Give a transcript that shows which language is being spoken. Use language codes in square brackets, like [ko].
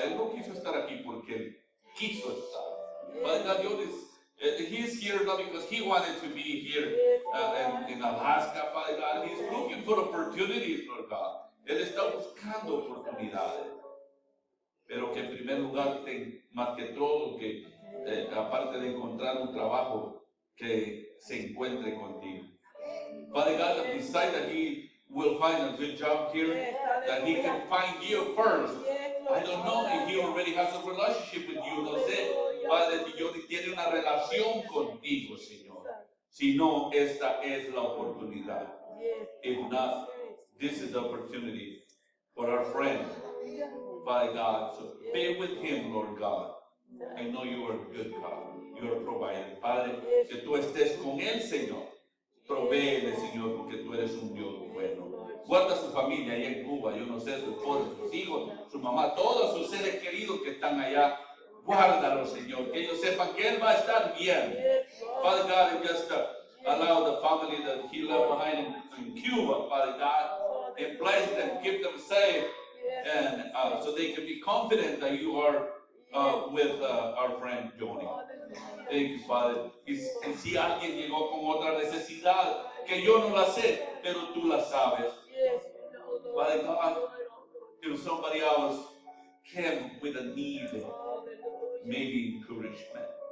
[es] Él no quiso estar aquí porque él quiso estar. [en] Padre God, he is here not because he wanted to be here in Alaska, Father God. He's looking for opportunities, Lord God. [es] Él está buscando oportunidades. Pero que en primer lugar, más que todo, que aparte de encontrar un trabajo, que se encuentre contigo. [en] Father God, besides that he will find a good job here, that he can find you first. I don't know if he already has a relationship with you, [es] no sé. Padre, yo tiene una relación contigo, Señor. Si no, esta es la oportunidad. [en] If not, this is the opportunity for our friend, Father God. So be with him, Lord God. I know you are a good God. You are providing. [es] Padre, que tú estés con él, Señor. Provéele, Señor, porque tú eres un Dios bueno. Guarda a su familia allá en Cuba. Yo no sé, su esposa, sus hijos, su mamá, todos sus seres queridos que están allá. Guárdalo, Señor, que ellos sepan que él va a estar bien. [en] Father God, just allow the family that he left behind in Cuba, Father God, and bless them, keep them safe, and so they can be confident that you are with our friend Johnny. Thank you, Father. [es] Y si alguien llegó con otra necesidad, que yo no la sé, pero tú la sabes. [en] Father God, if somebody else came with a need, maybe encouragement.